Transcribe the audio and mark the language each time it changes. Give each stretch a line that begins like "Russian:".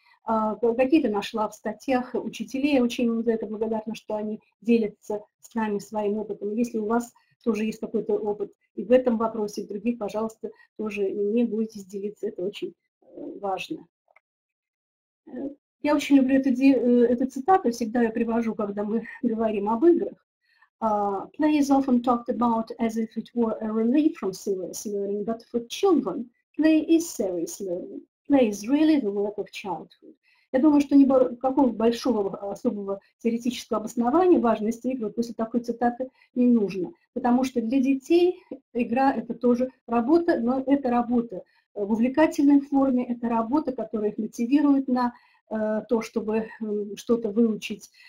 Russian: Какие-то нашла в статьях учителей. Я очень за это благодарна, что они делятся с нами своим опытом. Если у вас тоже есть какой-то опыт и в этом вопросе, и в других, пожалуйста, тоже не бойтесь делиться. Это очень важно. Я очень люблю эту цитату, всегда ее привожу, когда мы говорим об играх.
English: Play is often talked about as if it were a relief from serious learning, but for children, play is serious learning. Play is really the work of childhood.
Russian: Я думаю, что никакого большого особого теоретического обоснования важности игры после такой цитаты не нужно, потому что для детей игра – это тоже работа, но это работа в увлекательной форме, это работа, которая их мотивирует на то, чтобы что-то выучить.